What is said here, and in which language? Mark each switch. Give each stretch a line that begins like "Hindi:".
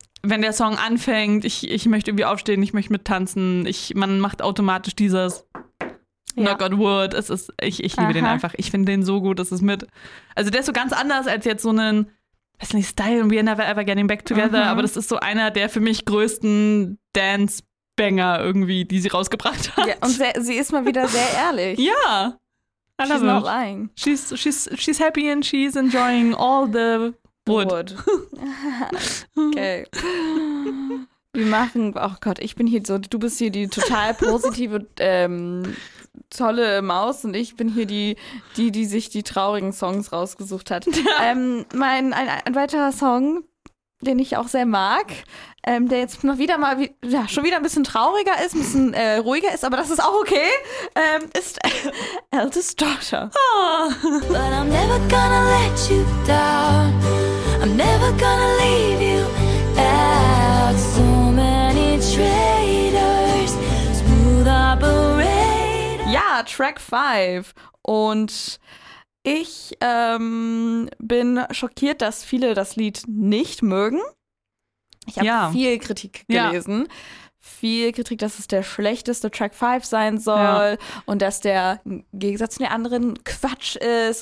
German: Wenn der Song anfängt, ich möchte irgendwie aufstehen, ich möchte mittanzen, man macht automatisch dieses Knock on Wood. Ich liebe den einfach. Ich finde den so gut, das ist mit. Also der ist so ganz anders als jetzt so einen, weiß nicht, Style and We're Never Ever Getting Back Together, aber das ist so einer der für mich größten Dance-Banger irgendwie, die sie rausgebracht hat. Ja, und sie ist mal wieder sehr ehrlich. Ja.
English: She's not lying. She's happy and she's enjoying all the wood.
German: Okay. Wir machen, oh Gott, ich bin hier so, du bist hier die total positive, tolle Maus und ich bin hier die sich die traurigen Songs rausgesucht hat. Ja. Ein weiterer Song, den ich auch sehr mag, der jetzt noch wieder mal, ja, schon wieder ein bisschen trauriger ist, ein bisschen ruhiger ist, aber das ist auch okay, ist Eldest Daughter. Oh.
English: But I'm never gonna let you down. I'm never gonna leave you out. So many traitors, smooth operator.
German: Ja, Track 5. Und ich bin schockiert, dass viele das Lied nicht mögen. Ich habe viel Kritik gelesen. Ja. Viel Kritik, dass es der schlechteste Track 5 sein soll. Ja. Und dass der im Gegensatz zu den anderen Quatsch ist.